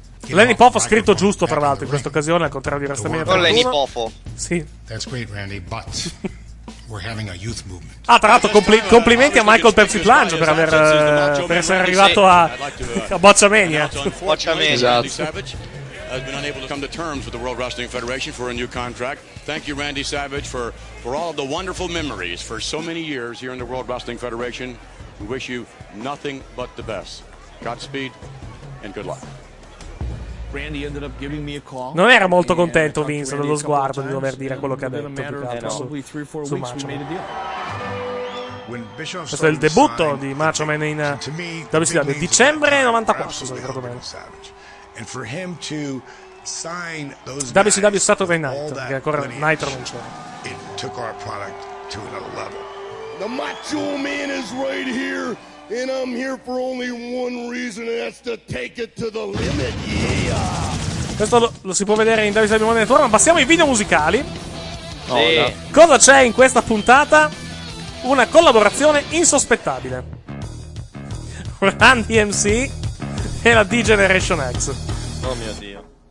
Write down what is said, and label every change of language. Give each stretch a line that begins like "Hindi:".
Italian: Lenny Poff ha scritto giusto, tra l'altro, in questa occasione, al contrario di Rastamina. Con Lenny Poffo. Sì.
English: That's great, Randy, but we're having a youth movement.
Italian: Ah, tra l'altro, complimenti a Michael Persiflage per aver per essere arrivato a Bocciamania.
English: Has been unable to come to terms with the World Wrestling Federation for a new contract. Thank you, Randy Savage, for all of the wonderful memories for so many years here in the World Wrestling Federation. We wish you nothing but the best. Godspeed and good luck. Randy ended up giving me a call.
Italian: Non era molto contento Vince dello sguardo di dover dire quello che ha detto più che altro su Macho Man. Questo è il debutto di Macho Man in WCW, dicembre 94, se ricordo bene.
English: And for him to sign those WCW Saturday Night,
Italian: che ancora Nitro non c'era.
English: It took our product to another level. The Macho Man is right here. And I'm here for only one reason, and that's to take it to the limit, yeah.
Italian: Questo lo si può vedere in WCW Money Network, ma passiamo ai video musicali. No, sì. No. Cosa c'è in questa puntata? Una collaborazione insospettabile. Randy MC e la D-Generation X. Oh mio Dio.